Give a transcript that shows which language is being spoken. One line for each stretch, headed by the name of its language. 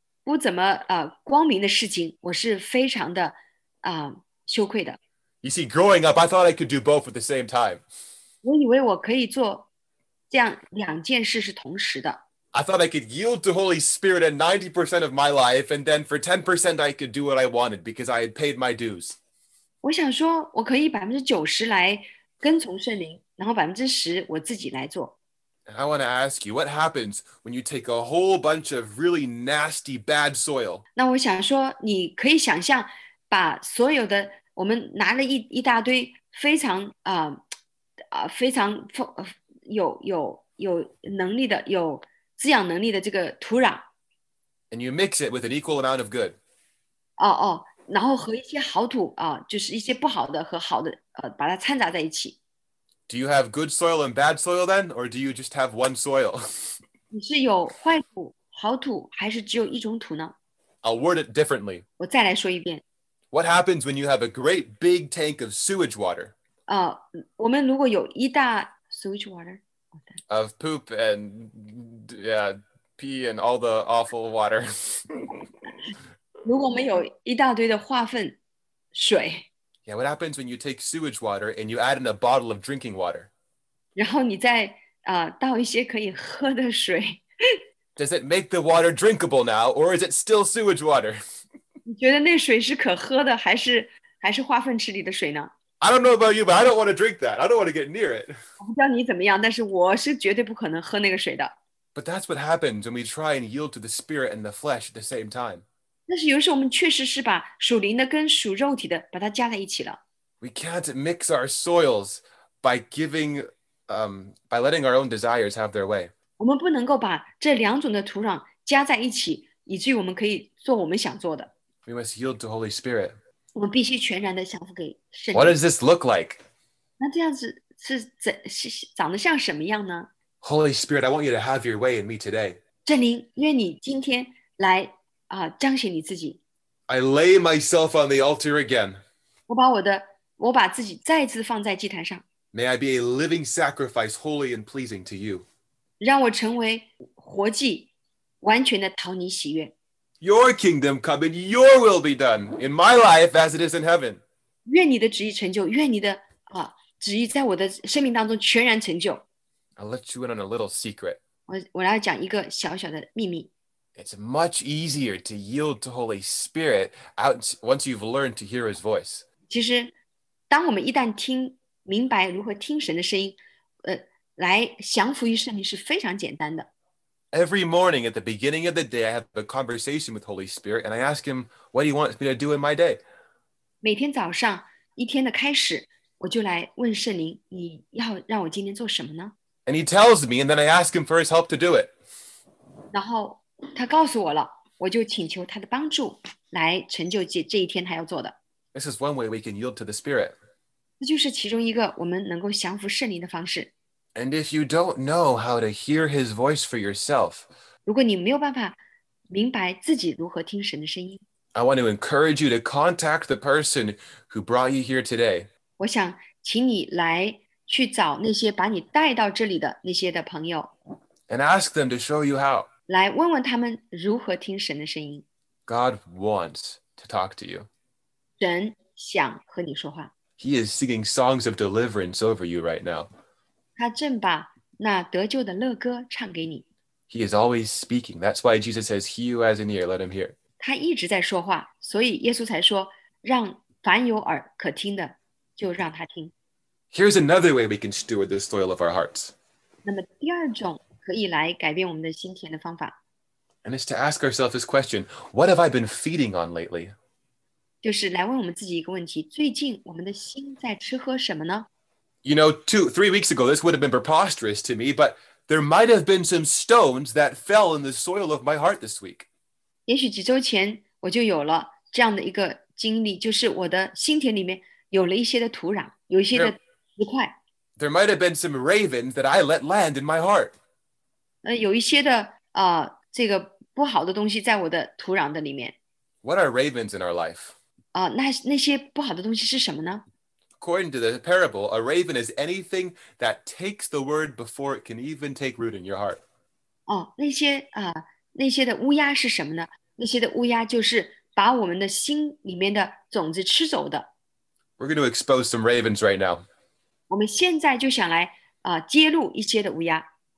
Chinese: 不怎么光明的事情，我是非常的羞愧的。
English: You see, growing up, I thought I could do both at the same time.
Chinese: 我以为我可以做这样两件事是同时的。
English: I thought I could yield to Holy Spirit at 90% of my life, and then for 10% I could do what I wanted because I had paid my dues.
Chinese: 我想说我可以90%来跟从圣灵，然后10%我自己来做。
English: And I want to ask you, what happens when you take a whole bunch of really nasty, bad soil?
Chinese: 那我想说你可以想象把所有的我们拿了 一大堆非常非常有能力的有滋养能力的这个土壤。
English: And you mix it with an equal amount of good.
Chinese: 哦哦，然后和一些好土就是一些不好的和好的把它掺杂在一起。
English: Do you have good soil and bad soil then, or do you just have one soil?
Chinese: 你是有坏土、好土，还是只有一种土呢？
English: I'll word it differently.
Chinese: 我再来说一遍。
English: What happens when you have a great big tank of sewage water?
Chinese: 我们如果有一大
English: sewage water of poop and pee and all the awful water.
Chinese: 如果我们有一大堆的化粪水。
English: Yeah, what happens when you take sewage water and you add in a bottle of drinking water?
Chinese: 然后你再倒一些可以喝的水。
English: Does it make the water drinkable now, or is it still sewage water?
Chinese: 你觉得那水是可喝的还是化粪池里的水呢？
English: I don't know about you, but I don't want to drink that. I don't want to get near it.
Chinese: 我不知道你怎么样，但是我是绝对不可能喝那个水的。
English: But that's what happens when we try and yield to the spirit and the flesh at the same time.
Chinese: 但是有时候我们确实是把属灵的跟属肉体的把它加在一起了。
English: We can't mix our soils by giving, by letting our own desires have their way.
Chinese: 我们不能够把这两种的土壤加在一起，以至于我们可以做我们想做的。
English: We must yield to Holy Spirit.
Chinese: 我们必须全然的降服给圣灵。
English: What does this look like?
Chinese: 那这样子是长得像什么样呢？
English: Holy Spirit, I want you to have your way in me today.
Chinese: 圣灵，愿你今天来。彰显你自己。
English: I lay myself on the altar again.
Chinese: 我把自己再次放在祭坛上。
English: May I be a living sacrifice, holy and pleasing to you.
Chinese: 让我成为活祭，完全的讨你喜悦。
English: Your kingdom come and your will be done in my life as it is in heaven.
Chinese: 愿你的旨意成就，愿你的旨意在我的生命当中全然成就。
English: I'll let you in on a little secret.
Chinese: 我来讲一个小小的秘密。
English: It's much easier to yield to Holy Spirit once you've learned to hear His voice.
Chinese: 其实，当我们一旦听明白如何听神的声音，来降服于圣灵是非常简单的。
English: Every morning at the beginning of the day, I have a conversation with Holy Spirit, and I ask Him what He wants me to do in my day.
Chinese: 每天早上一天的开始，我就来问圣灵，你要让我今天做什么呢？
English: And He tells me, and then I ask Him for His help to do it.
Chinese: 然后他告诉我了，我就请求他的帮助来成就这一天他要做的。
English: This is one way we can yield to the Spirit.
Chinese: 这就是其中一个我们能够降服圣灵的方式。
English: And if you don't know how to hear His voice for yourself,
Chinese: 如果你没有办法明白自己如何听神的声音，
English: I want to encourage you to contact the person who brought you here today.
Chinese: 我想请你来去找那些把你带到这里的那些的朋友。
English: And ask them to show you how.
Chinese: 来问问他们如何听神的声音。
English: God wants to talk to you.
Chinese: 神想和你说话。
English: He is singing songs of deliverance over you right now.
Chinese: 他正把那得救的乐歌唱给你。
English: He is always speaking. That's why Jesus says, He who has an ear, let him hear.
Chinese: 他一直在说话，所以耶稣才说，让凡有耳可听的，就让他听。
English: Here's another way we can steward the soil of our hearts.
Chinese: 那么第二种可以来改变我们的心田的方法。
English: And it's to ask ourselves this question, what have I been feeding on lately?
Chinese: 就是来问我们自己一个问题，最近我们的心在吃喝什么呢？
English: You know, three weeks ago, this would have been preposterous to me, but there might have been some stones that fell in the soil of my heart this week.
Chinese: 也许几周前我就有了这样的一个经历，就是我的心田里面有了一些的土壤，有一些的石块。
English: There might have been some ravens that I let land in my heart.
Chinese: 有一些的这个不好的东西在我的土壤的里面。
English: What are ravens in our life?
Chinese: 那些不好的东西是什么呢？
English: According to the parable, a raven is anything that takes the word before it can even take root in your heart.
Chinese: 那些的乌鸦是什么呢？那些的乌鸦就是把我们的心里面的种子吃走的。
English: We're going to expose some ravens right now.
Chinese: 我们现在就想来揭露一些的乌鸦。